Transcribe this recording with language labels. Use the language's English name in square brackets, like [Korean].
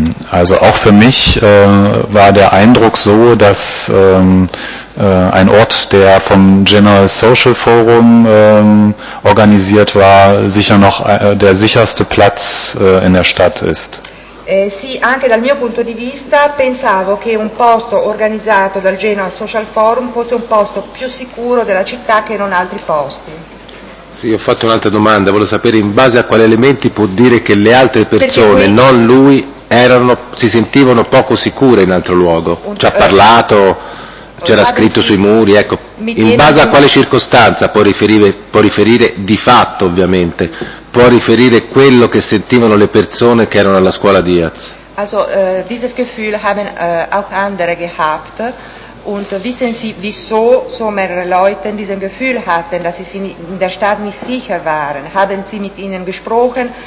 [German] Also auch für mich war der Eindruck so, dass ein Ort, der vom General Social Forum organisiert war, sicher noch der sicherste Platz in der Stadt ist. [Italian] Sì, anche dal mio punto di vista pensavo che un posto organizzato dal General Social Forum fosse un posto più sicuro della città che non altri posti. Sì, ho fatto un'altra domanda, volevo sapere in base a quali elementi può dire che le altre persone, perché non lui, si sentivano poco sicure in altro luogo. Ci ha parlato, c'era scritto sui muri, ecco. In base a quale circostanza può riferire di fatto, ovviamente, può riferire quello che sentivano le persone che erano alla scuola Diaz? [German] Also, dieses Gefühl haben auch andere gehabt. Und wissen Sie, wieso so mehrere Leute dieses Gefühl hatten, dass sie in der Stadt nicht sicher waren? Haben Sie mit ihnen gesprochen?